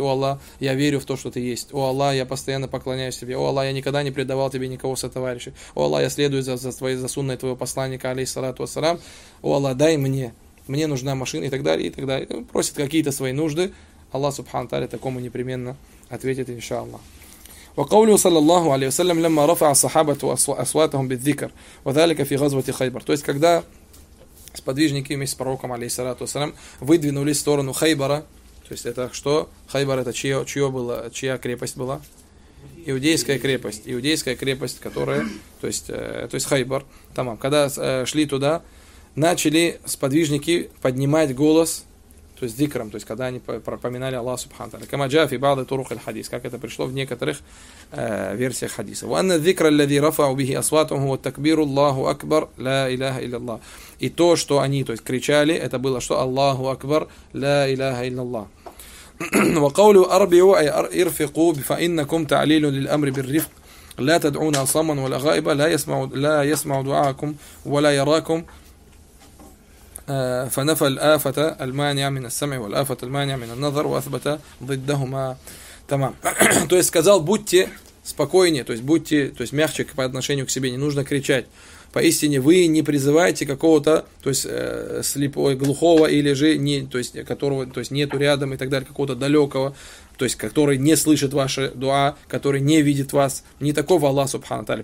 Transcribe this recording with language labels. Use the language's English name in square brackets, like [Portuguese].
[Russian] О Аллах, я верю в то, что ты есть. О Аллах, я постоянно поклоняюсь тебе. О Аллах, я никогда не предавал тебе никого сотоварища. О Аллах, я следую за сунной твоего посланника, алейхиссалату вассалам. О Аллах, дай мне. Мне нужна машина и так далее, и так далее. Просит какие-то свои нужды. Аллах Субхану Тааля такому непременно ответит, иншаллах. [Arabic] وقوله صلى الله عليه وسلم لما رفع الصحابة أصواتهم بالذكر وذلك في غزوة خيبر. [Russian] То есть когда сподвижники вместе с пророком алейхиссалату вассалям выдвинулись в сторону Хайбара, то есть это что? Хайбар это чье было, чья крепость была? Иудейская крепость, которая, то есть Хайбар, тамам. Когда шли туда, начали сподвижники поднимать голос. То есть дикрам, то есть когда они пропоминали Аллах Субхану Тааля. [Arabic] Камаджаф и бады турух аль-хадис, [Russian] как это пришло в некоторых версиях хадиса. [Arabic] وَأَنَّ الذِّكْرَ الَّذِي رَفَعُ بِهِ أَصْوَاتُهُ وَتَكْبِيرُ اللَّهُ أَكْبَرُ لَا إِلَهَ إِلَّا اللَّهُ. [Russian] И то, что они, то есть кричали, это было что? Аллаху Акбар, ла илаха илляллах. [Arabic] وَقَوْلُ أَرْبِعُوا أَيْ أَرْفِقُوا فَإِنَّكُمْ تَعْلِيلٌ لِلْأَمْرِ بِالرِّفْقِ لَا تَدْعُونَ صَمًّا وَلَا غَائِبًا لَا يَسْمَعُ دُعَاءَكُمْ وَلَا يَرَاكُمْ فنفى الآفة المانعة من السمع والآفة المانعة من النظر وأثبت ضدهما تمام. [Russian] То есть сказал, будьте спокойнее, то есть будьте, то есть мягче по отношению к себе, не нужно кричать. Поистине вы не призываете какого-то, то есть слепого, глухого или же не, то есть которого, то есть нету рядом и так далее, какого-то далекого, то есть который не слышит ваши дуа, который не видит вас, не такого Аллах Субхану Тааля.